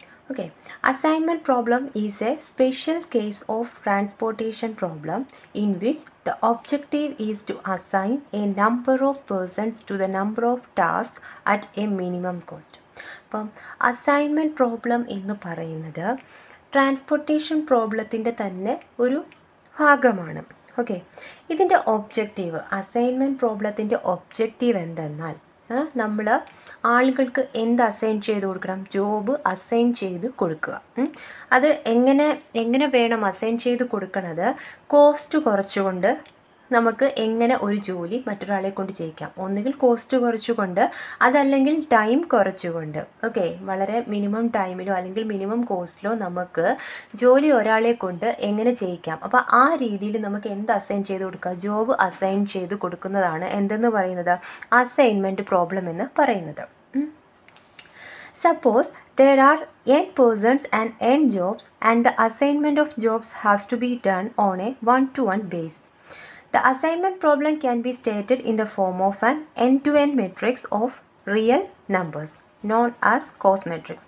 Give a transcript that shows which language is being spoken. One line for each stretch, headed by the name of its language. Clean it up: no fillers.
English: Okay, assignment problem is a special case of transportation problem in which the objective is to assign a number of persons to the number of tasks at a minimum cost.
Malayalam: അപ്പം assignment problem എന്ന് പറയുന്നത് transportation പ്രോബ്ലത്തിൻ്റെ തന്നെ ഒരു ഭാഗമാണ്. Okay, ഇതിൻ്റെ objective, assignment പ്രോബ്ലത്തിൻ്റെ objective എന്തെന്നാൽ, നമ്മൾ ആളുകൾക്ക് എന്ത് അസൈൻ ചെയ്ത് കൊടുക്കണം, ജോബ് അസൈൻ ചെയ്ത് കൊടുക്കുക. അത് എങ്ങനെ വേണം അസൈൻ ചെയ്ത് കൊടുക്കുന്നത്? കോസ്റ്റ് കുറച്ചുകൊണ്ട് നമുക്ക് എങ്ങനെ ഒരു ജോലി മറ്റൊരാളെ കൊണ്ട് ചെയ്യിക്കാം, ഒന്നുകിൽ കോസ്റ്റ് കുറച്ചുകൊണ്ട് അതല്ലെങ്കിൽ ടൈം കുറച്ചുകൊണ്ട്. ഓക്കെ, വളരെ മിനിമം ടൈമിലോ അല്ലെങ്കിൽ മിനിമം കോസ്റ്റിലോ നമുക്ക് ജോലി ഒരാളെ കൊണ്ട് എങ്ങനെ ചെയ്യിക്കാം. അപ്പോൾ ആ രീതിയിൽ നമുക്ക് എന്ത് അസൈൻ ചെയ്ത് കൊടുക്കുക, ജോബ് അസൈൻ ചെയ്ത് കൊടുക്കുന്നതാണ് എന്തെന്ന് പറയുന്നത്, അസൈൻമെൻറ്റ് പ്രോബ്ലം എന്ന് പറയുന്നത്.
English: Suppose there are n persons and n jobs and the assignment of jobs has to be done on a one-to-one basis. The assignment problem can be stated in the form of an end-to-end matrix of real numbers known as cost matrix.